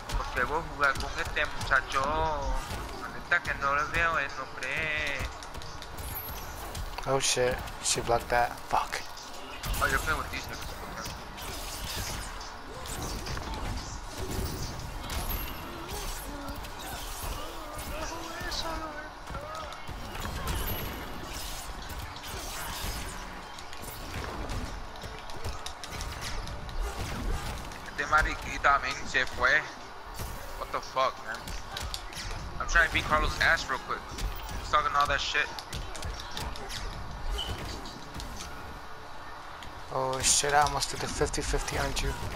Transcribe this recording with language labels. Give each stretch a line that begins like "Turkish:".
Spanish: Okay, voy a jugar con este muchacho. Neta que no le veo el nombre.
English: Oh shit, she blocked that. Fuck. Oh, you're playing with these niggas.
Spanish: Este mariquita, man, se fue.
English: What the fuck, man? I'm trying to beat Carlos' ass real quick. He's talking all that shit. Oh shit, I almost did the 50-50, aren't you?